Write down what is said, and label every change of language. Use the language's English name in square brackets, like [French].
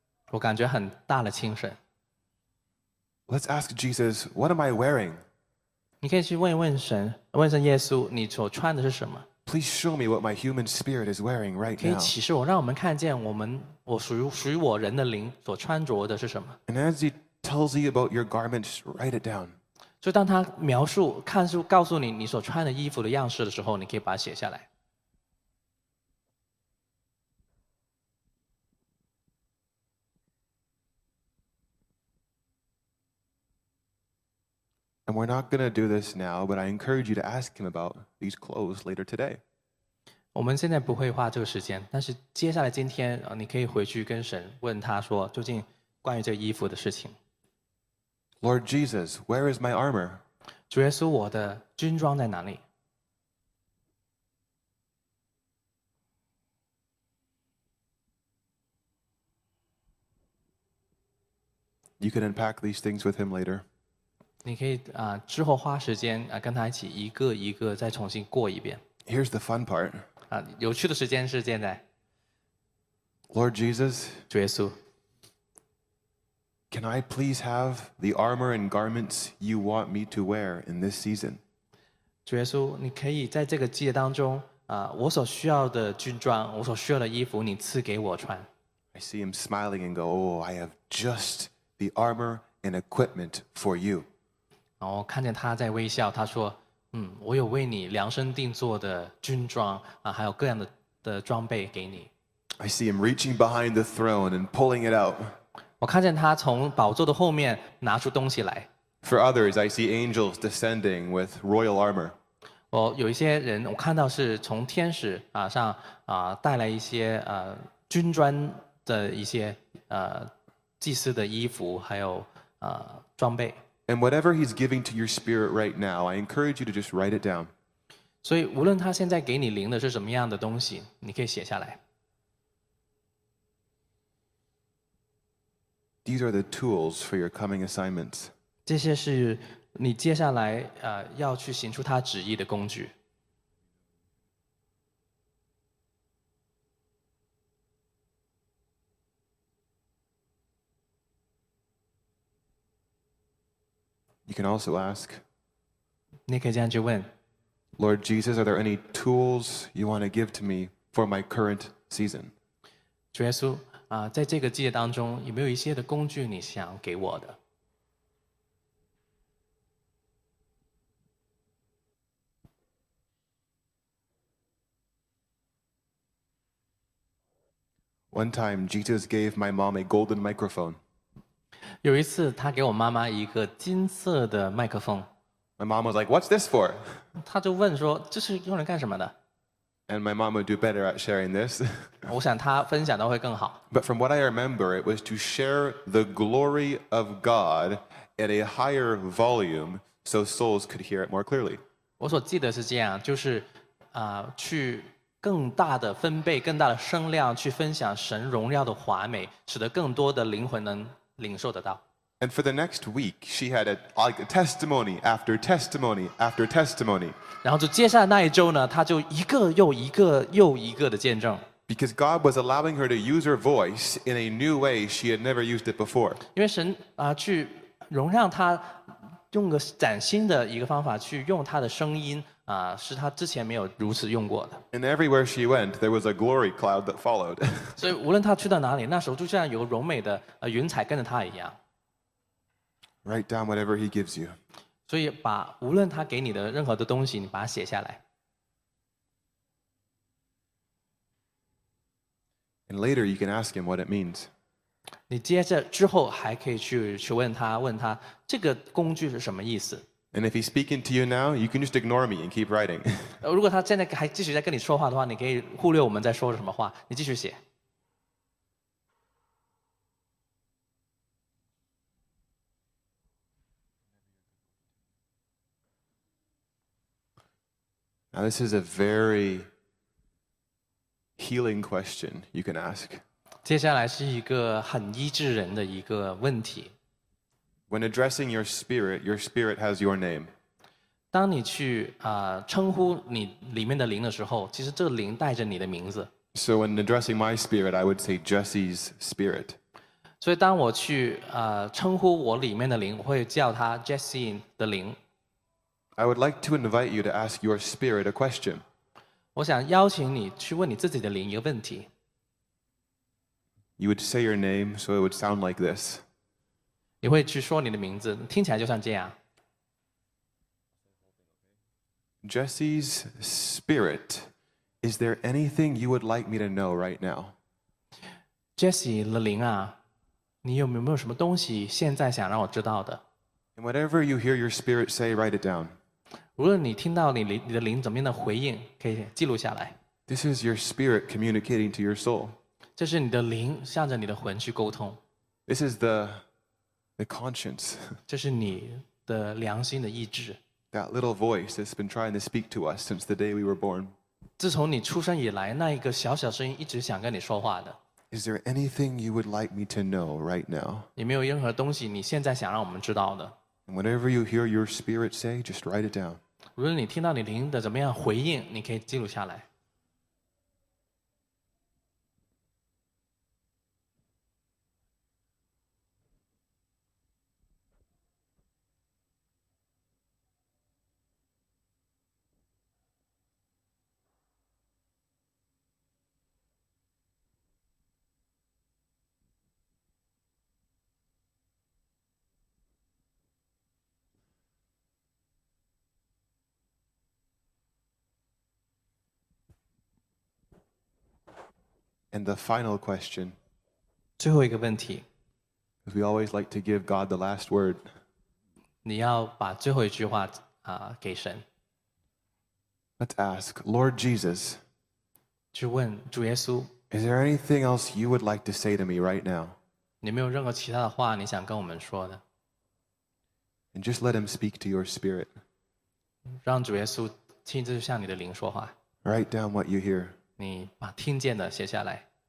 [Chinese] 我感觉很大的精神。 [English] Let's ask Jesus, what am I wearing? [Chinese] 你可以去问一问神，问神耶稣，你所穿的是什么？ [English] Please show me what my human spirit is wearing right now. [Chinese] 可以启示我，让我们看见我属于我人的灵所穿着的是什么？ [English] And as he tells you about your garments, write it down. [Chinese] 就当他描述，看书，告诉你你所穿的衣服的样式的时候，你可以把它写下来。 [English] And we're not going to do this now, but I encourage you to ask him about these clothes later today. [Chinese] 我们现在不会花这个时间，但是接下来今天，你可以回去跟神问他说，究竟关于这衣服的事情。 [English] Lord Jesus, where is my armor? [Chinese] 主耶稣，我的军装在哪里？ [English] You can unpack these things with him later. [Chinese] 你可以之后花时间跟他一起一个一个再重新过一遍。 [English] Here's the fun part. [Chinese] 有趣的时间是现在。 [English] Lord Jesus, [Chinese] 主耶稣。 [English] Can I please have the armor and garments you want me to wear in this season? [Chinese] 主耶稣，你可以在这个季节当中，我所需要的军装，我所需要的衣服，你赐给我穿。 [English] I see him smiling and go, Oh, I have just the armor and equipment for you. [Chinese] 然后看见他在微笑，他说，我有为你量身定做的军装，还有各样的装备给你。 [English] I see him reaching behind the throne and pulling it out. [Chinese] 我看见他从宝座的后面拿出东西来。 [English] For others, I see angels descending with royal armor. [Chinese] 我有一些人，我看到是从天使上带来一些军装的一些祭司的衣服，还有装备。 [English] And whatever he's giving to your spirit right now, I encourage you to just write it down. [Chinese] 所以无论他现在给你灵的是什么样的东西，你可以写下来。 [English] These are the tools for your coming assignments. [Chinese] 这些是你接下来要去行出他旨意的工具。 [English] You can also ask. [Chinese] 你可以这样去问。 [English] Lord Jesus, are there any tools you want to give to me for my current season? [Chinese] 主耶稣。在这个季节当中，有没有一些的工具你想给我的？ [English] One time, Jesus gave my mom a golden microphone. [Chinese] 有一次，他给我妈妈一个金色的麦克风。 [English] My mom was like, what's this for? [Chinese] 他就问说，这是用来干什么的？ [English] And my mom would do better at sharing this. [Chinese] 我想他分享的会更好。 [English] But from what I remember, it was to share the glory of God at a higher volume so souls could hear it more clearly. [Chinese] 我所记得是这样，就是去更大的分贝，更大的声量去分享神荣耀的华美，使得更多的灵魂能领受得到。 [English] And for the next week, she had a testimony after testimony after testimony. [Chinese] 然后就接下来那一周呢，她就一个又一个又一个的见证。 [English] Because God was allowing her to use her voice in a new way she had never used it before. [Chinese] 因为神去容让她用个崭新的一个方法去用她的声音是她之前没有如此用过的。 [English] And everywhere she went, there was a glory cloud that followed. [Chinese] 所以无论她去到哪里，那时候就像有个荣美的云彩跟着她一样。 [English] Write down whatever he gives you. [Chinese] 所以把无论他给你的任何的东西，你把它写下来。 [English] And later you can ask him what it means. [Chinese] 你接着之后还可以去询问他，问他这个工具是什么意思。 [English] And if he's speaking to you now, you can just ignore me and keep writing. [Chinese] 如果他现在还继续在跟你说话的话，你可以忽略我们在说什么话，你继续写。 [English] Now this is a very healing question you can ask. [Chinese] 接下来是一个很医治人的一个问题。 [English] When addressing your spirit has your name. [Chinese] 当你去称呼你里面的灵的时候，其实这个灵带着你的名字。 [English] So when addressing my spirit, I would say Jesse's spirit. [Chinese] 所以当我去称呼我里面的灵，我会叫他 Jesse 的灵。 [English] I would like to invite you to ask your spirit a question. [Chinese] 我想邀请你去问你自己的灵一个问题。 [English] You would say your name, so it would sound like this. [Chinese] 你会去说你的名字，听起来就像这样。 [English] Jesse's spirit, is there anything you would like me to know right now? [Chinese] Jesse 的灵啊，你有没有什么东西现在想让我知道的？ [English] And whatever you hear your spirit say, write it down. [Chinese] 无论你听到 你的灵怎么样的回应，可以记录下来。 [English] This is your spirit communicating to your soul. [Chinese] 这是你的灵向着你的魂去沟通。 [English] This is the conscience. [Chinese] 这是你的良心的意志。 [English] That little voice that's been trying to speak to us since the day we were born. [Chinese] 自从你出生以来，那一个小小声音一直想跟你说话的。 [English] Is there anything you would like me to know right now? [Chinese] 你没有任何东西你现在想让我们知道的。 [English] And whatever you hear your spirit say, just write it down. [Chinese] 如果你听到你灵的怎么样回应，你可以记录下来。 [English] And the final question. [Chinese] 最后一个问题。 [English] We always like to give God the last word. [Chinese] 你要把最后一句话给神。 [English] Let's ask, Lord Jesus. [Chinese] 去问主耶稣。 [English] Is there anything else you would like to say to me right now? [Chinese] 你没有任何其他的话你想跟我们说的。 [English] And just let him speak to your spirit. [Chinese] 让主耶稣亲自向你的灵说话。 [English] Write down what you hear. [Chinese] 你把听见的写下来。